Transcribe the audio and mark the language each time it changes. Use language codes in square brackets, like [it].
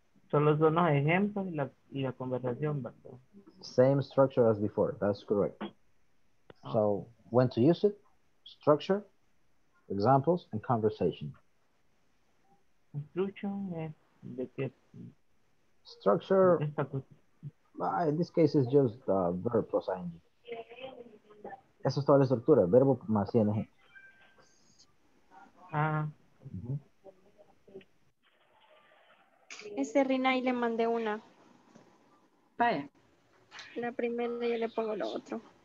[es] Solo son los ejemplos y la conversación, ¿verdad? [en] Same structure as before, that's correct. So, when to use it, structure, examples, and conversation. [es] Instruction es de qué. [en] Structure, in this case, is just the verb plus ing. [es] Eso es toda la estructura, verbo más ing. Ah. Ese Rina ahí le mandé una. Vaya. La primera yo le pongo lo otro.